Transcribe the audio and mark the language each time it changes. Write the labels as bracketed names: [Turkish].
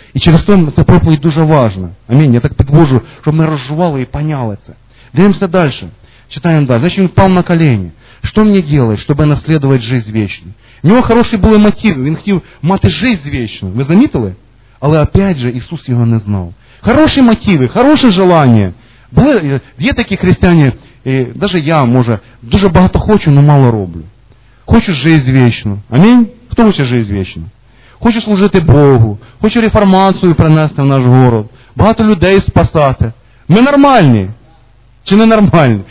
[Ukrainian] І через те це проповідь дуже важна. Амінь. Я так підвожу, щоб ми розжували і поняли це. Дивимося далі. Читаємо далі. Значить, він впав на колені. Що мені робити, щоб наслідувати життя вічне? У нього хороші були мотиви, він хотів мати життя вічне. Ви замітили? Але опять же Ісус його не знав. [Russian] Хорошие мотивы, хорошее желание. [Ukrainian] Є такі християни, навіть я, може, дуже багато хочу, но мало роблю. Хочу жизнь вечну. Амінь? Хто хоче жизнь вечну? Хочу служити Богу, хочу реформацію принести в наш город, багато людей спасати. Ми нормальні? Чи не нормальні?